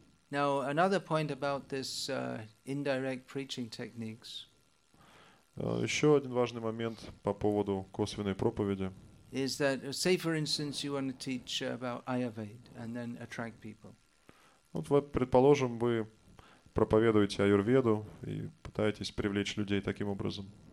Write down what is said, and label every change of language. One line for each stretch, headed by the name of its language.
English: Now another point about this indirect preaching techniques.
Russian: Еще один важный момент по поводу косвенной проповеди.
English: Is that say for instance you want to teach about Ayurveda and then attract people.
Russian: Вот вы, предположим, вы проповедуете аюрведу и пытаетесь привлечь людей таким образом.